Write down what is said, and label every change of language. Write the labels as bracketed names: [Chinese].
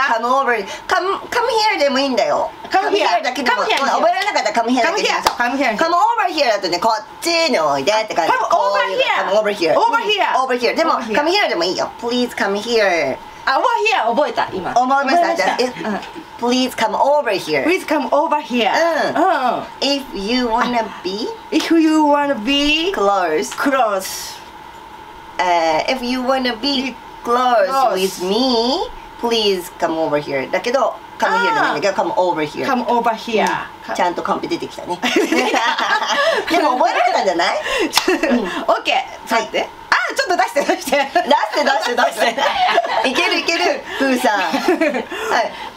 [English] Come over. Come here [Japanese] でもいいんだよ。 [English] Come here [Japanese] だけでも。覚えられなかったら [English] come here [Japanese] だけでも。 [English] Come here. Come over here [Japanese] だとね、こっちにおいでって感じ。 [English] Come over here. Come over here. Over here. Over here. [Japanese] でも [English] come here [Japanese] でもいいよ。 [English] Please come here. Over here [Japanese] 覚えた今思いました。 [English] じゃあ、Please come over here. Please come over here. If you wanna be, if you wanna be close, close. If you wanna be close with me, please come over here. [Japanese] だけど、 [English] come here [Japanese] でもいいんだけど、 [English] come over here. Come over here. [Japanese] ちゃんとコンペ出てきたね。でも覚えられたんじゃない？ OK。 はい。ちょっと出して出して出して出して出して、いけるいける、プーさん。はい。